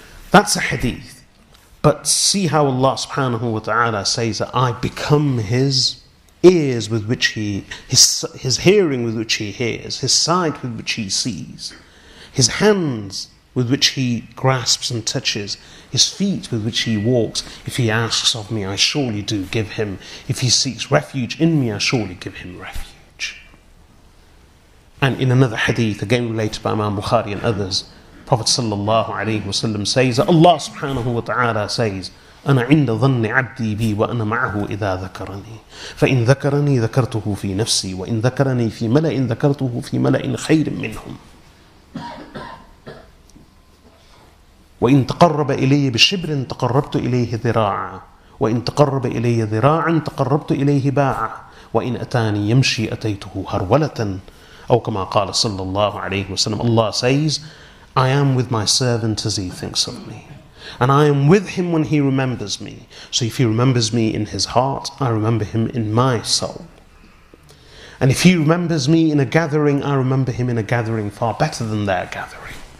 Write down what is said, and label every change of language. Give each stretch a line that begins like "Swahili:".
English: That's a hadith. But see how Allah subhanahu wa ta'ala says that I become his ears with which he, his hearing with which he hears, his sight with which he sees, his hands with which he grasps and touches, his feet with which he walks. If he asks of me, I surely do give him. If he seeks refuge in me, I surely give him refuge. And in another hadith, again related by Imam Bukhari and others, Prophet sallallahu alayhi wa sallam says that Allah subhanahu wa ta'ala says,
Arabic: أَنَا عِنْدَ ظَنِّ عَبْدِي بِي وَأَنَا مَعَهُ إِذَا ذَكَرَنِي فَإِنْ ذَكَرَنِي ذَكَرْتُهُ فِي نَفْسِي وَإِنْ ذَكَرَنِي فِي مَلَئٍ ذَكَرْتُهُ فِي مَلَئٍ خَيْرٍ مِّنْهُمْ وَإِنْ تَقَرَّبَ إِلَيَّ بِشِبْرٍ تَقَرَّبْتُ إِلَيْهِ ذِرَاعًا وَإِنْ تَقَرَّبَ إِلَيَّ ذِرَاعًا تَقَرَّبْتُ إِلَيْهِ بَاعًا وَإِنْ أَتَانِي يَمْشِي أَتَيْتُهُ هَرْوَلَةً أَوْ كَمَا قَالَ sallallahu alayhi wa sallam.
English: Allah says, I am with my servant as he thinks of me. And I am with him when he remembers me. So if he remembers me in his heart, I remember him in my soul. And if he remembers me in a gathering, I remember him in a gathering far better than their gathering.